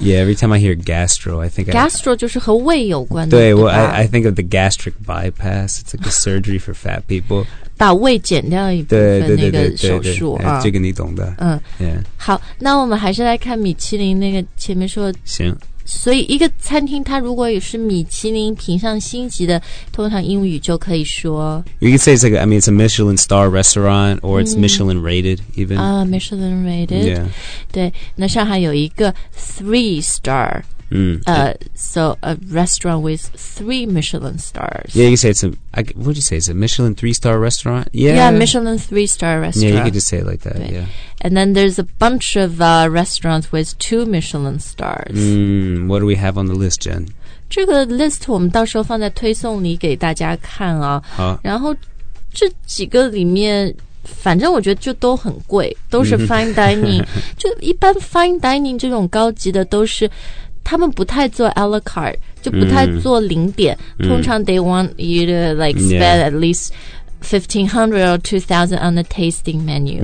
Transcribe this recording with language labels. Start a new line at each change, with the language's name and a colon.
English: Yeah, every time I hear gastro I think
Chinese: Gastro 就是和胃有关的对, 对
English: well, I think of the gastric bypass It's like a surgery for fat people
Chinese: 把胃减掉一部分那个手术啊，这个你懂的。嗯、
English: yeah.
Chinese: 好，那我们还是来看米其林那个前面说行。所以一个餐厅它如果也是米其林评上星级的，通常英语就可以说。
English: You can say it's like, I mean, it's a Michelin star restaurant, or it's、嗯、Michelin rated, even. Ah,、Michelin rated. Yeah.
Chinese: 对，那上海有一个
English: three star. 嗯。 So a restaurant with three Michelin stars. Yeah, you can say it's a, what'd you say? Is it a Michelin three-star restaurant? Yeah. Yeah, Michelin three-star restaurant. Yeah, you could just say it like that, yeah. And then there's a bunch of restaurants with two Michelin stars. What do we have on the list, Jen?
Chinese: 这个 list 我们到时候放在推送里给大家看啊。好。然后这几个里面反正我觉得就都很贵都是 fine dining. 就一般 fine dining 这种高级的都是他们不太做 a la carte, 就不太做零点、通常
English: they want you to like spend、at least $1,500 or $2,000 on the tasting menu.